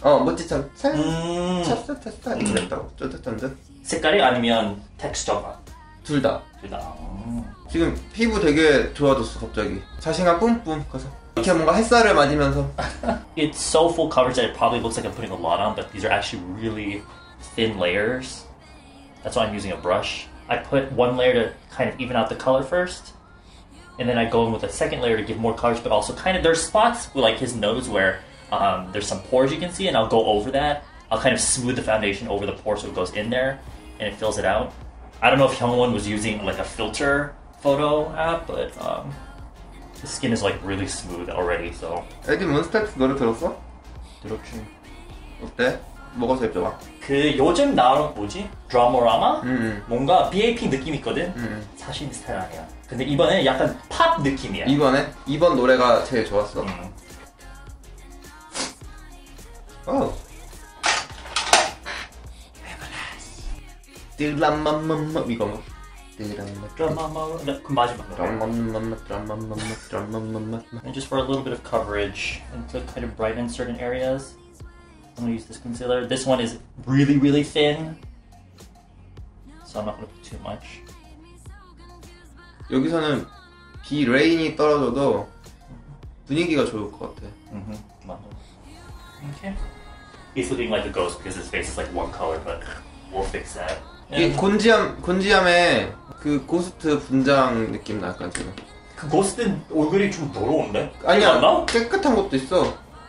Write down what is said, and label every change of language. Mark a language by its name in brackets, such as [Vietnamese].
[Korean] 어 모찌처럼 찰싹찰싹 이렇게 됐다고 쫀득쫀득 색깔이 아니면 텍스처가? 둘 다 둘 다 지금 피부 되게 좋아졌어 갑자기 자신감 뿜뿜 커서 이렇게 뭔가 햇살을 맞으면서 [English] It's so full coverage that it probably looks like I'm putting a lot on but these are actually really thin layers That's why I'm using a brush I put one layer to kind of even out the color first and then I go in with a second layer to give more coverage but also kind of there's spots like his nose where there's some pores you can see and I'll go over that I'll kind of smooth the foundation over the pore so it goes in there and it fills it out I don't know if Hyungwon was using like a filter photo app but the skin is like really smooth already so [Korean] 애기 몬스타 노래 들었어? 들었지 어때? 먹어서 입자 그 요즘 나온 뭐지? 드라마라마? 뭔가 BAP 느낌 있거든? 사실 스타일 아니야 근데 이번에 약간 팝 느낌이야 이번에? 이번 노래가 제일 좋았어? 드라마마마 이거 [English] 드라마마마 And just for a little bit of coverage and to kind of brighten certain areas I'm gonna use this concealer. This one is really, really thin. So I'm not gonna put too much. [Korean] 여기서는 비 레인이 떨어져도 분위기가 좋을 것 같아. 맞아. [English] Okay. He's looking like a ghost because his face is like one color, but we'll fix that. Yeah. [Korean] 이게 곤지암의 그 고스트 분장 느낌 나 약간 지금. 그 고스트 얼굴이 좀 더러운데? 아니야, 깨끗한 것도 있어.